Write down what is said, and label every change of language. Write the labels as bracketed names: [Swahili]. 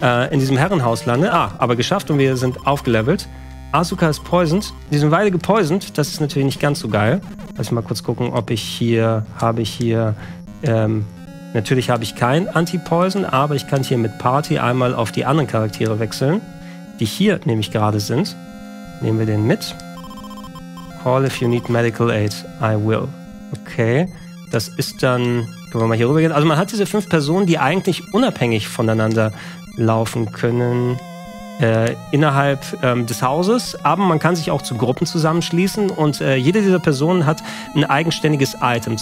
[German] In diesem Herrenhaus lande. Ah, aber geschafft und wir sind aufgelevelt. Asuka ist poisoned. Die sind beide gepoisoned. Das ist natürlich nicht ganz so geil. Lass ich mal kurz gucken, ob ich hier, habe ich hier, natürlich habe ich kein Anti-Poison, aber ich kann hier mit Party einmal auf die anderen Charaktere wechseln, die hier nämlich gerade sind. Nehmen wir den mit. [English] Call if you need medical aid, I will. [German] Okay, das ist dann, können wir mal hier rüber gehen. Also man hat diese fünf Personen, die eigentlich unabhängig voneinander laufen können innerhalb des Hauses, aber man kann sich auch zu Gruppen zusammenschließen und jede dieser Personen hat ein eigenständiges Item.